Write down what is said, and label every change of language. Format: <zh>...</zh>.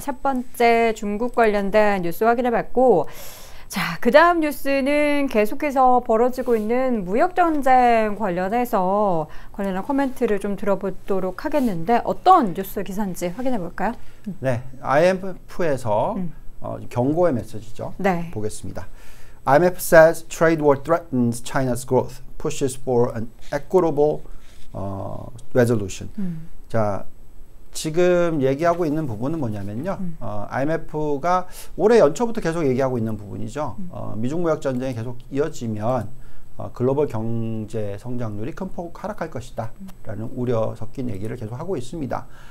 <ko>첫 번째 중국 관련된 뉴스 확인해봤고 자, 그 다음 뉴스는 계속해서 벌어지고 있는 무역전쟁 관련한 코멘트를 좀 들어보도록 하겠는데 어떤 뉴스 기사인지 확인해볼까요? 네, IMF에서 경고의 메시지죠. 네. 보겠습니다.</ko> <en>IMF says trade war threatens China's growth, pushes for an equitable resolution.</en> <ko>자, 지금 얘기하고 있는 부분은 뭐냐면요. IMF가 올해 연초부터 계속 얘기하고 있는 부분이죠. 미중 무역 전쟁이 계속 이어지면 글로벌 경제 성장률이 큰 폭 하락할 것이다 라는 우려 섞인 얘기를 계속 하고 있습니다.</ko>